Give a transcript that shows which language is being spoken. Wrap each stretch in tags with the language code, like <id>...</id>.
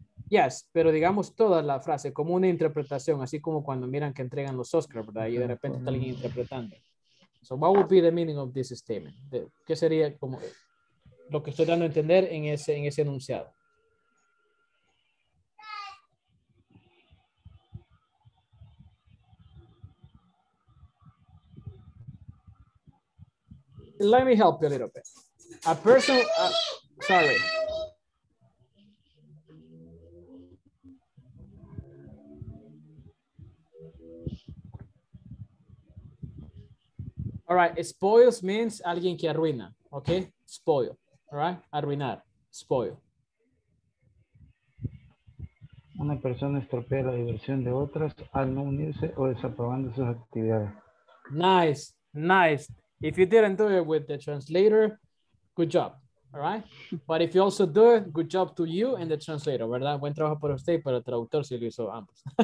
<en>Yes,</en> <es>pero digamos toda la frase como una interpretación, así como cuando miran que entregan los Oscars, ¿verdad? Y de repente está alguien interpretando.</es> <en>So what would be the meaning of this statement?</en> <es>¿Qué sería como lo que estoy dando a entender en ese enunciado?</es> <en>Let me help you a little bit. A person, sorry. All right, spoils means</en> <es>alguien que arruina,</es> <en>okay? Spoil, all right?</en> <es>Arruinar, spoil. Una persona estropea la diversión de otras al no unirse o desaprobando sus actividades.</es> <en>Nice, nice. If you didn't do it with the translator, good job, all right? But if you also do it, good job to you and the translator,</en> <es>¿verdad? Buen trabajo para usted y para el traductor si lo hizo ambos.</es>